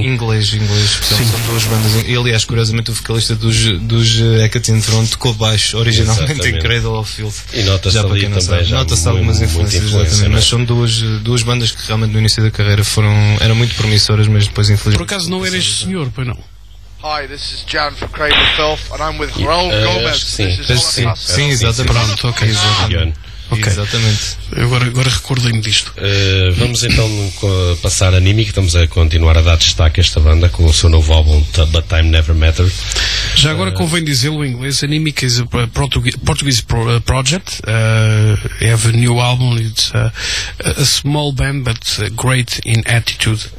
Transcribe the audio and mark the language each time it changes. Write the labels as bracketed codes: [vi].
[pt] Inglês. Sim. São duas bandas. E aliás, curiosamente, o vocalista dos Hecatombfront tocou baixo originalmente. Exatamente. Em Cradle of Filth. E nota-se já ali também. Nota-se algumas influências, exatamente. Mas são duas bandas que realmente no início da carreira eram muito promissoras, mas depois infelizmente. Por acaso não era este senhor, pois não? [en] Hi, this is John from Cradle of Filth, and I'm with Raul Gomez. [pt] Sim, sim, exatamente. Pronto, ok, exatamente. Okay. Exatamente. Agora recordei-me disto. Vamos então passar a Nimi, que estamos a continuar a dar destaque a esta banda com o seu novo álbum, But Time Never Mattered. Já agora convém dizê-lo em inglês, [en] a Nimi is a Portuguese project. Have a new album, it's a small band but great in attitude.